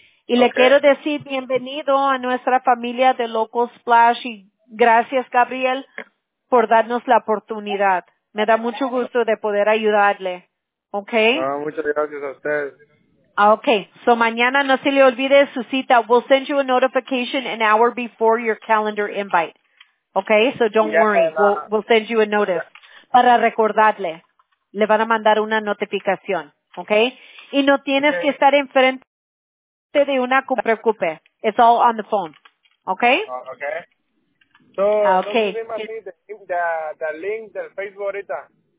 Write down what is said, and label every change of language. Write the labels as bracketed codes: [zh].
[es] Y le quiero decir bienvenido a nuestra familia de Local Splash y gracias, Gabriel, por darnos la oportunidad. Me da mucho gusto de poder ayudarle. Okay? Muchas gracias a usted. Okay, so mañana no se le olvide su cita. [en] We'll send you a notification an hour before your calendar invite. Okay, so don't worry. We'll send you a notice. [es] Para recordarle, le van a mandar una notificación. Okay? Y no tienes que estar enfrente de una, no te preocupes. [en] It's all on the phone. Okay? Okay. The link [es] del Facebook ahorita.